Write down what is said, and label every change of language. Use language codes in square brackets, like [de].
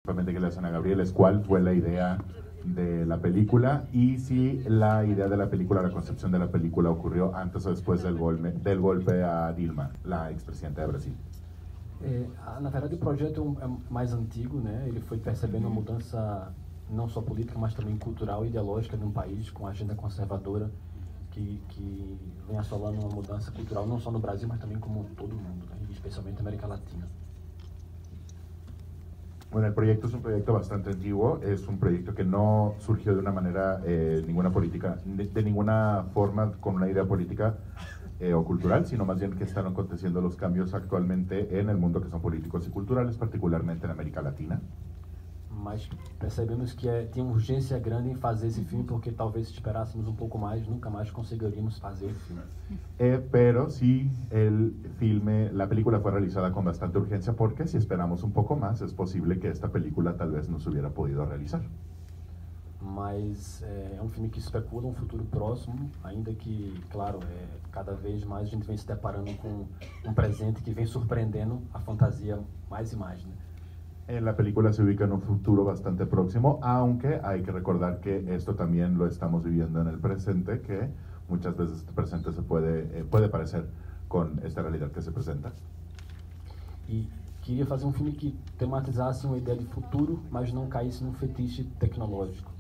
[es] Obviamente que le hacen a Gabriel es cuál fue la idea de la película y si la idea de la película, la concepción de la película ocurrió antes o después del golpe a Dilma, la expresidenta de Brasil. [pt] Na verdade, o projeto é mais antigo, né? Ele foi percebendo uma mudança não só política, mas também cultural e ideológica de um país com agenda conservadora que vem assolando uma mudança cultural não só no Brasil, mas também como todo mundo, né? Especialmente na América Latina. [es] Bueno, el proyecto es un proyecto bastante antiguo, es un proyecto que no surgió de una manera, ninguna política, de ninguna forma con una idea política o cultural, sino más bien que están aconteciendo los cambios actualmente en el mundo que son políticos y culturales, particularmente en América Latina. [pt] Mas percebemos que tem urgência grande em fazer esse filme, porque talvez se esperássemos um pouco mais, nunca mais conseguiríamos fazer o filme. [es] Pero si el filme, la película fue realizada con bastante urgencia, porque si esperamos un poco más, es posible que esta película tal vez no se hubiera podido realizar. [pt] Mas é um filme que especula um futuro próximo, ainda que, claro, cada vez mais a gente vem se deparando com um presente que vem surpreendendo a fantasia mais e mais, né? [es] La película se ubica en un futuro bastante próximo, aunque hay que recordar que esto también lo estamos viviendo en el presente, que muchas veces este presente se puede parecer con esta realidad que se presenta. Y quería hacer un filme que tematizase una idea de futuro, mas no caísse en un fetiche tecnológico.